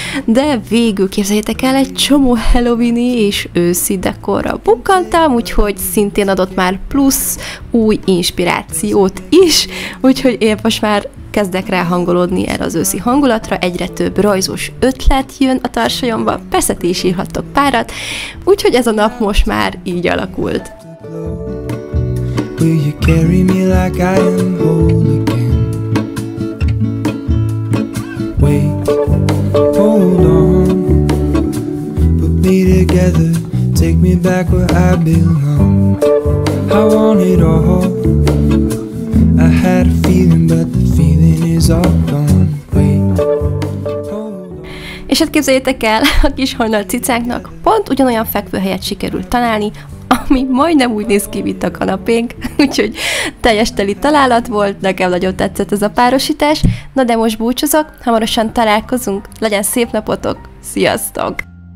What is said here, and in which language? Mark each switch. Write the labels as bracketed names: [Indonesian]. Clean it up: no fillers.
[Hungarian] de végül képzeljétek el, egy csomó halloweeni és őszi dekorra bukkantam, úgyhogy szintén adott már plusz új inspirációt is, úgyhogy én most már kezdek rá hangolódni erre az őszi hangulatra, egyre több rajzos ötlet jön a tarsajomba, persze ti is írhattok párat, úgyhogy ez a nap most már így alakult. [English] Will you carry me like I am whole again? Wait, hold on. Put me together, take me back where I belong. I want it all. I had a feeling, but the feeling is all gone. [Hungarian] Wait. És hát képzeljétek el, a kis hajnal cicánknak pont ugyanolyan fekvőhelyet sikerült találni, ami majdnem úgy néz ki, mint a kanapénk, úgyhogy teljes teli találat volt, nekem nagyon tetszett ez a párosítás. Na de most búcsúzok, hamarosan találkozunk, legyen szép napotok, sziasztok!